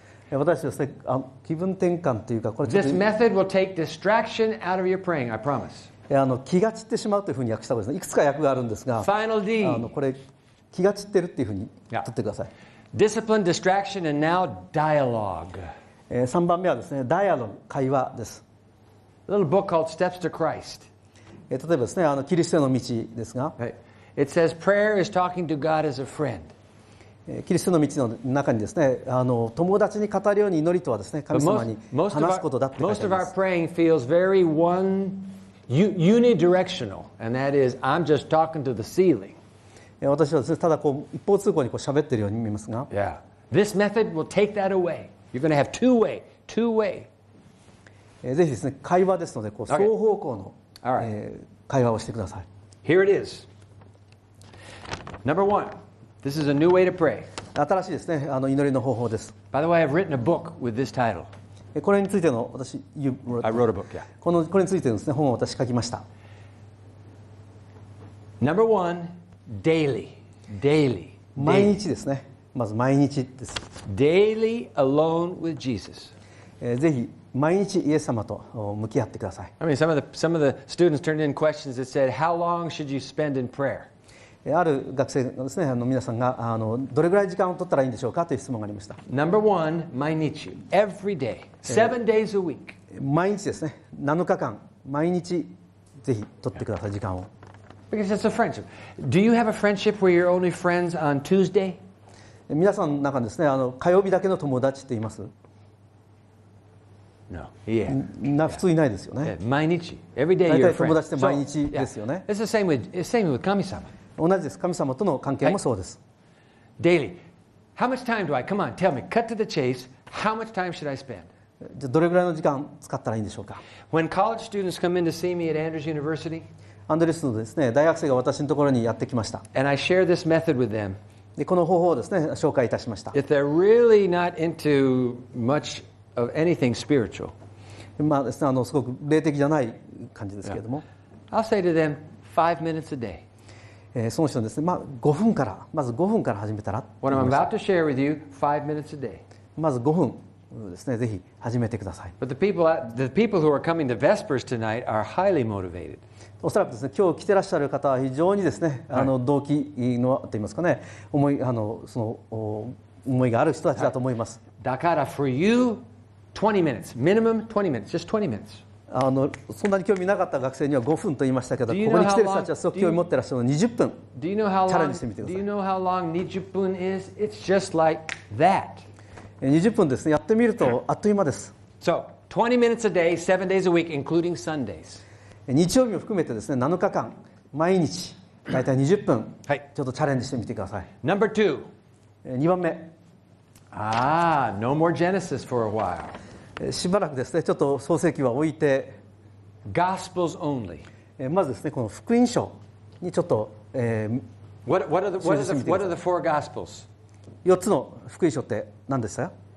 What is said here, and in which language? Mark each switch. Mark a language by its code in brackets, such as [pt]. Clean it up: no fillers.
[ja] 私ですね、気分転換というか、これ [en] This method will take distraction out of your praying, I promise. [ja] 気が散ってしまうというふうに訳したことですね。いくつか訳があるんですが、 [en] Final D. [ja] これ、気が散ってるっていうふうに取ってください。 [en] Yeah. Discipline, distraction, and now dialogue. [ja] 3番目はですね、ダイアログ、会話です。 [en] A little book called Steps to Christ. [ja] 例えばですね、キリストの道ですが。 [en] It says prayer is talking to God as a friend. [ja] キリストの道の中にですね、友達に語るように祈りとはですね、神様に話すことだって書いてあります。 [en] Most of our praying feels very one unidirectional, and that is, I'm just talking to the ceiling. [ja] 私はですね、ただこう一方通行にこう喋ってるように見えますが、 [en] yeah. This method will take that away. You're going to have two way. [ja] ぜひですね、会話ですのでこう双方向の、 [en] okay. [ja] 会話をしてください。 [en] Here it is. Number one, this is a new way to pray. [ja] 新しいですね、祈りの方法です。 [en] By the way, I've written a book with this title. [ja] これについての私、 [en] I wrote a book. Yeah. [ja] これについてのですね、本を私書きました。 [en] Number one. Daily. [ja] 毎日ですね。まず毎日です。 [en] Daily alone with Jesus. [ja] ぜひ毎日イエス様と向き合ってください。 [en] I mean, some of the students turned in questions that said, how long should you spend in prayer? [ja] ある学生のですね、皆さんがどれぐらい時間を取ったらいいんでしょうかという質問がありました。 [en] Number one, 毎日。 Every day. Seven days a week. [ja] 毎日ですね。7日間。毎日ぜひ取ってください、時間を。 [en] Because it's a friendship. Do you have a friendship where you're only friends on Tuesday? [ja] 皆さんの中にですね、火曜日だけの友達っています [en] ？No. Yeah. [ja] 普通いないですよね。毎日。 [en] Every day you're friends. [ja] 友達って毎日ですよね。 [en] It's the same with神様。 [ja] 同じです。神様との関係もそうです。 [en] Daily. How much time do I? Come on, tell me. Cut to the chase. How much time should I spend? [ja] じゃあどれぐらいの時間使ったらいいんでしょうか [en] ？When college students come in to see me at Andrews University. [ja] アンドレスのですね、大学生が私のところにやってきました。 [en] And I share this method with them. [ja] で、この方法をですね、紹介いたしました。 [en] If they're really not into much of anything spiritual. [ja] まあですね、すごく霊的じゃない感じですけれども。 [en] Yeah. I'll say to them, 5 minutes a day. [ja] その人ですね、まあ5分から、まず5分から始めたら。 [en] What I'm about to share with you, 5 minutes a day. [ja] まず5分ですね、ぜひ始めてください。 [en] But the people who are coming to Vespers tonight are highly motivated. [ja] おそらくですね、今日来てらっしゃる方は非常にですね、動機のといいますかね、思い、その思いがある人たちだと思います。 [en] だから for you, 20 minutes, minimum 20 minutes, just 20 minutes. [ja] そんなに興味なかった学生には5分と言いましたけど、ここに来てる人たちはすごく興味持ってらっしゃるので20分、 [en] do you know how long, [ja] チャレンジしてみてください。 [en] Do you know how long 20分 is? It's just like that. [ja] 20分ですね、やってみるとあっという間です。 [en] So, 20 minutes a day, 7 days a week, including Sundays. [ja] 日曜日も含めてですね、7日間毎日だいたい20分、はい、ちょっとチャレンジしてみてください。 [en] Number two. [ja] 2番目。 [en] No more Genesis for a while. [ja] しばらくですね、ちょっと創世記は置いて。 [en] Gospels only. [ja] まずですね、この福音書にちょっと、 [en] What are the four Gospels? [ja] 4つの福音書って何でしたか？